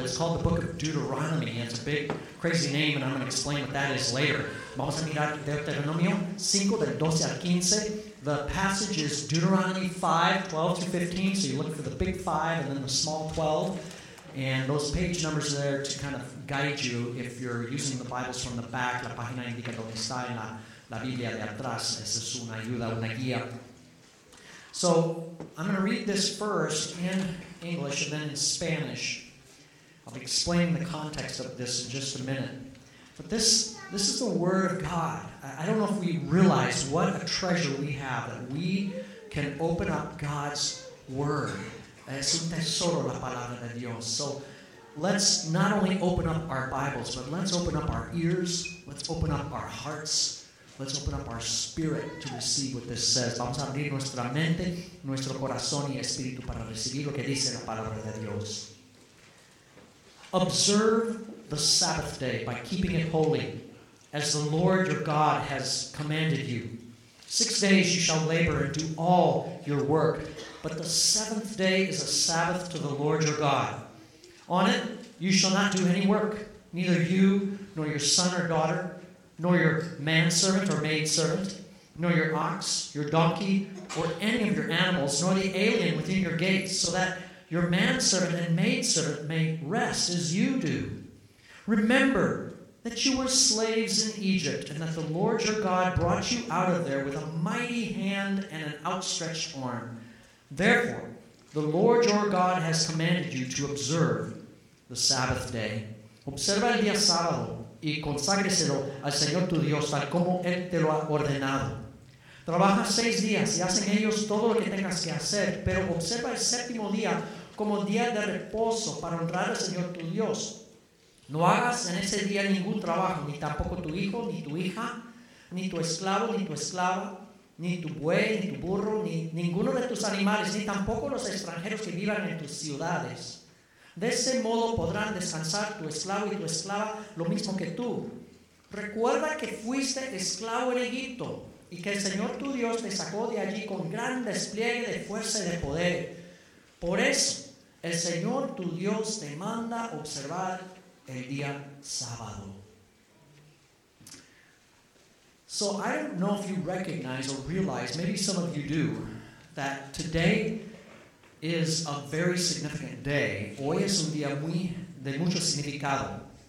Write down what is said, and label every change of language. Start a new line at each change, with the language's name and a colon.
English: It's called the book of Deuteronomy. It's a big, crazy name, and I'm going to explain what that is later.
Spanish: Vamos a mirar Deuteronomio 5, del 12 al 15.
English: The passage is Deuteronomy 5, 12 to 15. So you look for the big 5 and then the small 12. And those page numbers are there to kind of guide you if you're using the Bibles from the back.
Spanish: La página indica donde está en la Biblia de atrás. Esa es una ayuda, una guía.
English: So I'm going to read this first in English and then in Spanish. I'll explain the context of this in just a minute. But this is the Word of God. I don't know if we realize what a treasure we have that we can open up God's Word.
Spanish: Es un tesoro la palabra de Dios.
English: So let's not only open up our Bibles, but let's open up our ears. Let's open up our hearts. Let's open up our spirit to receive what this says.
Spanish: Vamos a abrir nuestra mente, nuestro corazón y espíritu para recibir lo que dice la palabra de Dios.
English: Observe the Sabbath day by keeping it holy, as the Lord your God has commanded you. 6 days you shall labor and do all your work, but the seventh day is a Sabbath to the Lord your God. On it you shall not do any work, neither you nor your son or daughter, nor your manservant or maidservant, nor your ox, your donkey, or any of your animals, nor the alien within your gates, so that your manservant and maidservant may rest as you do. Remember that you were slaves in Egypt, and that the Lord your God brought you out of there with a mighty hand and an outstretched arm. Therefore, the Lord your God has commanded you to observe the Sabbath day.
Spanish: Observa el día sábado, y conságreselo al Señor tu Dios, tal como Él te lo ha ordenado. Trabaja 6 días, y haz en ellos todo lo que tengas que hacer, pero observa el séptimo día como día de reposo para honrar al Señor tu Dios. No hagas en ese día ningún trabajo, ni tampoco tu hijo, ni tu hija, ni tu esclavo, ni tu esclava, ni tu buey, ni tu burro, ni ninguno de tus animales, ni tampoco los extranjeros que vivan en tus ciudades. De ese modo podrán descansar tu esclavo y tu esclava lo mismo que tú. Recuerda que fuiste esclavo en Egipto y que el Señor tu Dios te sacó de allí con gran despliegue de fuerza y de poder. Por eso, el Señor tu Dios te manda observar el día sábado.
English: So I don't know if you recognize or realize, maybe some of you do, that today is a very significant day.
Spanish: Hoy es un día muy de mucho significado.